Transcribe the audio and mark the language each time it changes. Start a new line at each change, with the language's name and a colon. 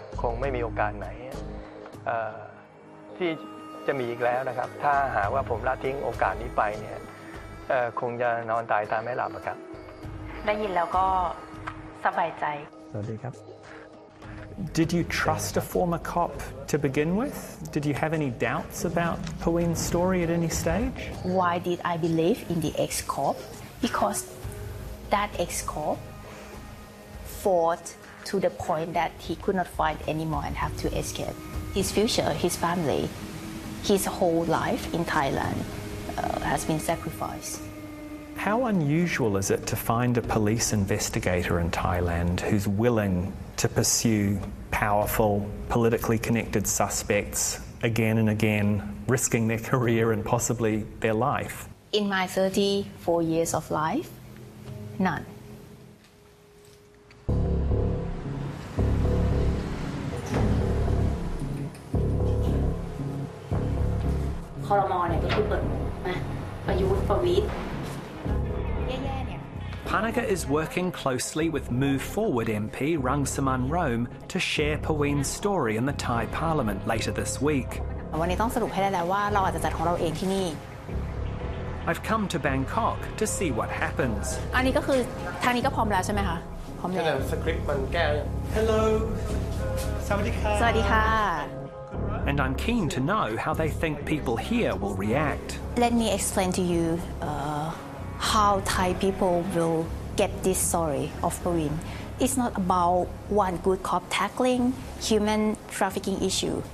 Thai: คงไม่มีโอกาสไหนที่จะมีอีกแล้วนะครับถ้าหาว่าผมละทิ้งโอกาสนี้ไปเนี่ยคงจะนอนตายตาไม่หลับครับ ได้ยินแล้วก็สบายใจ สวัสดีครับ
English: Did you trust a former cop to begin with? Did you have any doubts about Pewin's story at any stage? Why did I believe in the ex-cop? BecauseThat ex-cop fought to the point that he could not fight anymore and have to escape. His future, his family, his whole life in Thailand has been sacrificed. How unusual is it to find a police investigator in Thailand who's willing to pursue powerful, politically connected suspects again and again, risking their career and possibly their life? In my 34 years of life,None.
Thai: คอรมอเนี่ยก็คือเปิดมาประยุทธ์ประวิตร
English: Panaka is working closely with Move Forward MP Rung Saman Rome to share Pewin's story in the Thai Parliament later this week.
Thai: วันนี้ต้องสรุปให้ได้แล้วว่าเราอาจจะจัดของเราเองที่นี่
English: I've come to Bangkok to see what happens.
Thai: อันนี้ก็คือทางนี้ก็พร้อมแล้วใช่ไหมคะพร้อมแล้วสคริปต์มันแก้แล้ว
English: Hello.
Thai: สวัสดีค่ะ สวัสดีค่ะ
English: And I'm keen to know how they think people here will react. let me explain to you how Thai people will get this story of Buin. It's not about one good cop tackling human trafficking issue.